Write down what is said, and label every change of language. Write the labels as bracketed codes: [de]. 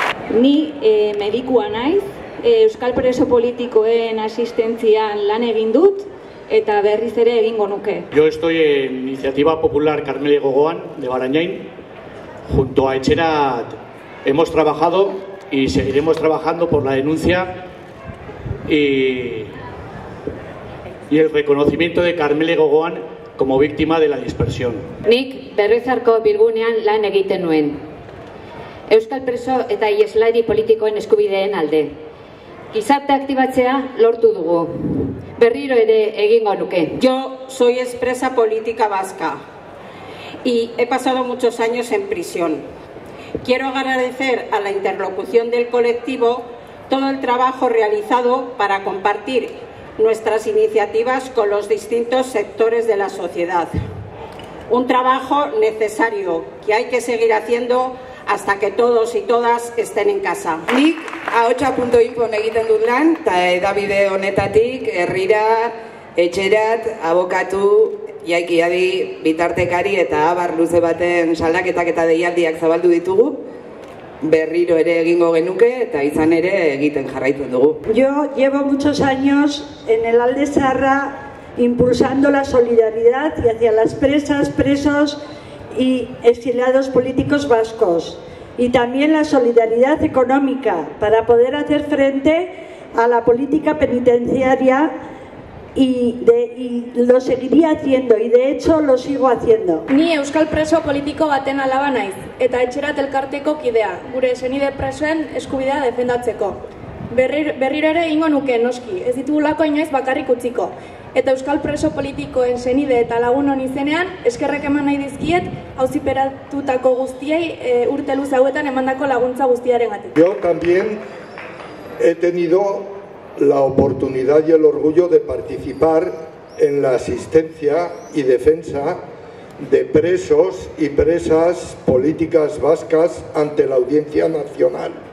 [eu] Ni medikua naiz, Euskal Preso Politikoen asistentzian lan egin dut, eta berriz ere egingo nuke. [es] Yo estoy en Iniciativa Popular Carmele Gogoan, de Barañain. Junto a Etxerat hemos trabajado y seguiremos trabajando por la denuncia y el reconocimiento de Carmele Gogoan como víctima de la dispersión. [eu] Nik Berrizarko Bilgunean lan egiten nuen. Euskal preso eta ieslari politikoen eskubideen alde. Gizarte aktibatzea lortu dugu. Berriro ere egingo nuke. [es] Yo soy expresa política vasca y he pasado muchos años en prisión. Quiero agradecer a la interlocución del colectivo todo el trabajo realizado para compartir nuestras iniciativas con los distintos sectores de la sociedad. Un trabajo necesario que hay que seguir haciendo hasta que todos y todas estén en casa. [eu] Nik ahotsa.info egiten dut lan, eta edabide honetatik, herrira, etxerat, abokatu, jaikiadi, bitartekari eta abar luze baten saldaketak eta deialdiak zabaldu ditugu, berriro ere egingo genuke eta izan ere egiten jarraitzen dugu. [es] Yo llevo muchos años en el Alde Zaharra impulsando la solidaridad y hacia las presas, presos y exiliados políticos vascos, y también la solidaridad económica para poder hacer frente a la política penitenciaria, y lo seguiría haciendo y de hecho lo sigo haciendo. [eu] Ni euskal preso politiko baten alaba naiz eta Etxerat elkarteko kidea, gure senide presoen eskubidea defendatzeko. Berriro ere egingo nuke noski, ez ditugulako inoiz bakarrik utziko. Eta euskal preso politikoen senide eta lagun honen izenean eskerrak eman nahi dizkiet auziperatutako guztiei urte luze hauetan emandako laguntza guztiarengatik. [es] Yo también he tenido la oportunidad y el orgullo de participar en la asistencia y defensa de presos y presas políticas vascas ante la Audiencia Nacional.